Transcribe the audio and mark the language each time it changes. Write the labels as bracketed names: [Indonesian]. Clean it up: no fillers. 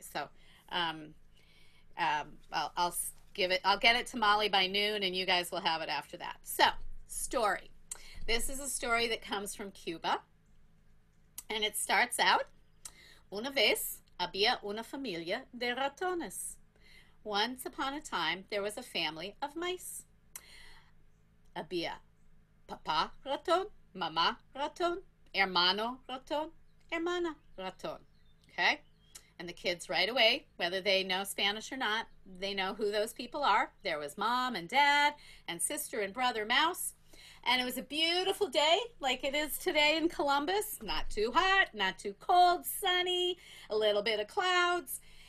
[English] So I'll get it to Molly by noon and you guys will have it after that. So, story. This is a story that comes from Cuba. And it starts out, [Spanish] una vez había una familia de ratones. [English] Once upon a time, there was a family of mice. [Spanish] Había papá ratón, mamá ratón, hermano ratón, hermana ratón. [English] Okay? And the kids right away, whether they know Spanish or not, they know who those people are. There was mom and dad and sister and brother mouse. And it was a beautiful day, like it is today in Columbus. Not too hot, not too cold, sunny, a little bit of clouds.